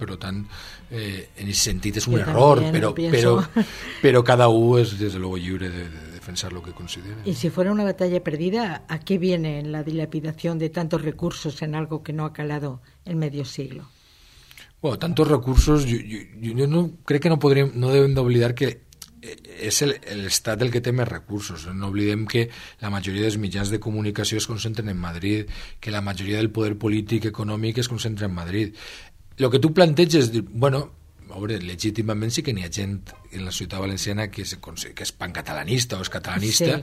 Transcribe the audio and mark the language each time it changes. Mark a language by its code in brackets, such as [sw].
[ca] Per tant, en aquest sentit és un error, però cada un és, des de luego, lliure de defensar el que considera. [es] I si fuera una batalla perdida, ¿a qué viene la dilapidación de tantos recursos en algo que no ha calado en medio siglo? [ca] Bueno, [es] tantos recursos, [ca] yo no crec que no deben d'oblidar que és el estat el que té més recursos. No oblidem que la majoria dels mitjans de comunicació es concentren en Madrid, que la majoria del poder polític econòmic es concentra en Madrid. El que tu planteges, bueno, obre, legítimament sí que n'hi ha gent en la ciutat valenciana que és pancatalanista o és catalanista,